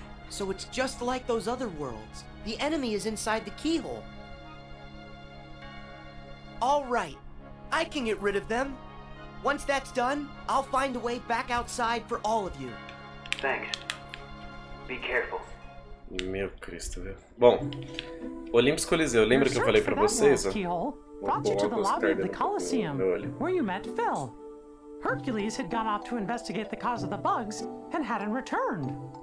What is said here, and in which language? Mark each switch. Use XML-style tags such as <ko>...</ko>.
<en>So it's just like those other worlds. The enemy is inside the keyhole. All right. I can get rid of them. Once that's done, I'll find a way back outside for all of you. Thanks. Be careful.</en> <pt>Meu Cristo, viu? Bom, Olympus Coliseu, lembra que eu falei pra vocês?</pt> <en>Brought you to the lobby of the Colosseum, where you met Phil. Hercules had gone off to investigate the cause of the bugs and hadn't returned.</en>